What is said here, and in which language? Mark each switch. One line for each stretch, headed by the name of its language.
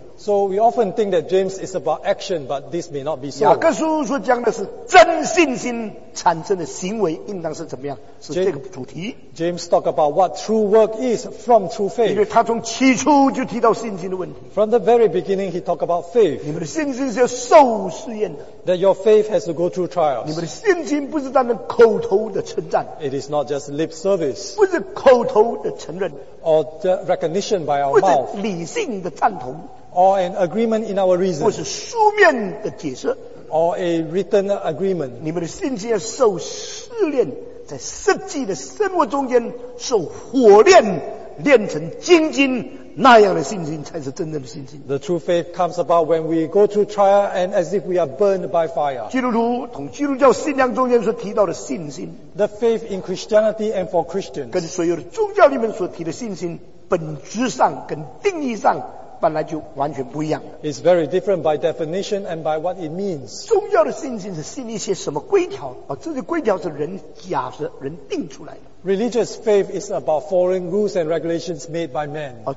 English: So we often think that James is about action, but this may not be so.
Chinese: 雅各书所讲的是真信心产生的行为，应当是怎么样？是这个主题。
English: James talked about what true work is from true faith.
Chinese: 因为他从起初就提到信心的问题。
English: From the very beginning, he talked about faith.
Chinese: 你们的信心是要受试验的。
English: That your faith has to go through trials.
Chinese: 你们的信心不是单单口头的称赞。
English: It is not just lip service.
Chinese: 不是口头的承认。
English: Or the recognition by our mouth.
Chinese: 不是理性的赞同。
English: Or an agreement in our reason.
Chinese: 不是书面的解释,
English: or a written agreement.
Chinese: 你们的信心要受试炼, 在实际的生活中间受火炼, 炼成精金, 那样的信心才是真正的信心。
English: The true faith comes about when we go through trial and as if we are burned by fire.
Chinese: 基督徒同基督教信仰中间所提到的信心,
English: The faith in Christianity and for Christians.
Chinese: 跟所有的宗教里面所提的信心本质上跟定义上
English: It's very different by definition and by what it means.
Chinese: 宗教的信心是信一些什么规条，这些规条是人假设、人定出来的。
English: Religious faith is about following rules and regulations made by man.